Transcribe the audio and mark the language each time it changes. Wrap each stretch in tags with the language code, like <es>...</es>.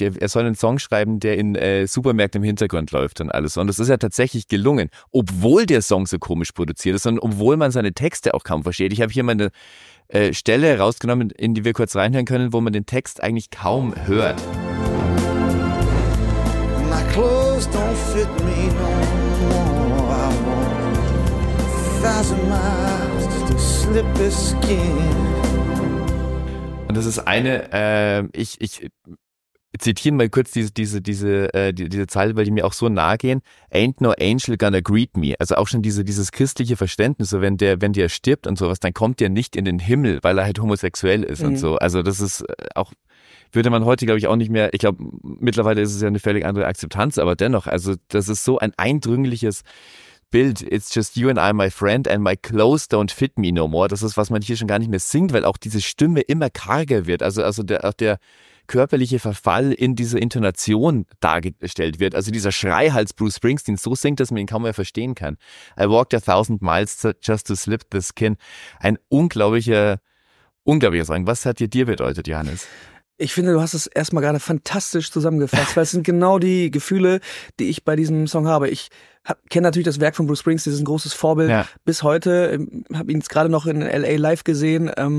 <de>Er soll einen Song schreiben, der in Supermärkten im Hintergrund läuft und alles. Und das ist ja tatsächlich gelungen, obwohl der Song so komisch produziert ist und obwohl man seine Texte auch kaum versteht. Ich habe hier mal eine Stelle rausgenommen, in die wir kurz reinhören können, wo man den Text eigentlich kaum hört.</de> <en>My clothes don't fit me no more. I want a thousand miles to slip his skin.</en> <de>Und das ist eine, ich zitiere mal kurz diese Zeile, weil die mir auch so nahe gehen.</de> <en>Ain't no angel gonna greet me.</en> <de>Also auch schon dieses christliche Verständnis, so wenn der stirbt und sowas, dann kommt der nicht in den Himmel, weil er halt homosexuell ist und so. Also das ist auch, würde man heute, glaube ich, auch nicht mehr, ich glaube, mittlerweile ist es ja eine völlig andere Akzeptanz, aber dennoch, also das ist so ein eindringliches Bild.</de> <en>It's just you and I, my friend, and my clothes don't fit me no more.</en> <de>Das ist, was man hier schon gar nicht mehr singt, weil auch diese Stimme immer karger wird. Also der körperliche Verfall in dieser Intonation dargestellt wird. Also dieser Schreihals Bruce Springsteen so singt, dass man ihn kaum mehr verstehen kann.</de> <en>I walked a thousand miles just to slip the skin.</en> <de>Ein unglaublicher Song. Was hat dir bedeutet, Johannes? Ich finde, du hast es erstmal gerade fantastisch zusammengefasst, weil es sind genau die Gefühle, die ich bei diesem Song habe. Ich kenne natürlich das Werk von Bruce Springsteen, das ist ein großes Vorbild bis heute. Habe ihn jetzt gerade noch in L.A. live gesehen.</de>